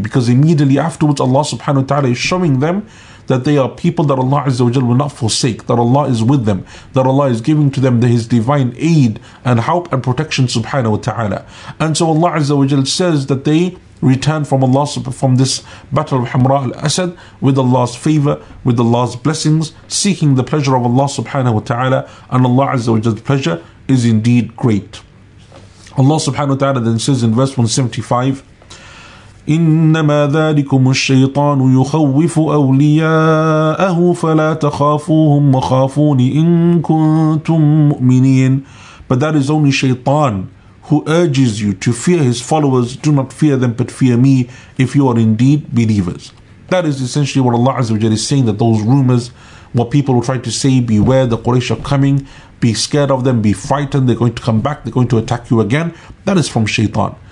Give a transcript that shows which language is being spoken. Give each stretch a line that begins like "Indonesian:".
English: Because immediately afterwards Allah subhanahu wa ta'ala is showing them that they are people that Allah Azza wa Jalla will not forsake, that Allah is with them, that Allah is giving to them His divine aid and help and protection subhanahu wa ta'ala. And so Allah Azza wa Jalla says that they return from Allah, from this battle of Hamra al-Asad, with Allah's favor, with Allah's blessings, seeking the pleasure of Allah subhanahu wa ta'ala, and Allah Azza wa Jalla's pleasure is indeed great. Allah subhanahu wa ta'ala then says in verse 175,
Arabic: إِنَّمَا ذَلِكُمُ الشَّيْطَانُ يُخَوِّفُ أَوْلِيَاءَهُ فَلَا تَخَافُوهُمْ وَخَافُونِ إِن كُنتُم مُؤْمِنِينَ.
English: But that is only shaytan who urges you to fear his followers. Do not fear them, but fear me if you are indeed believers. That is essentially what Allah Azza wa Jalla is saying, that those rumors, what people will try to say, beware, the Quraysh are coming, be scared of them, be frightened, they're going to come back, they're going to attack you again. That is from shaitan.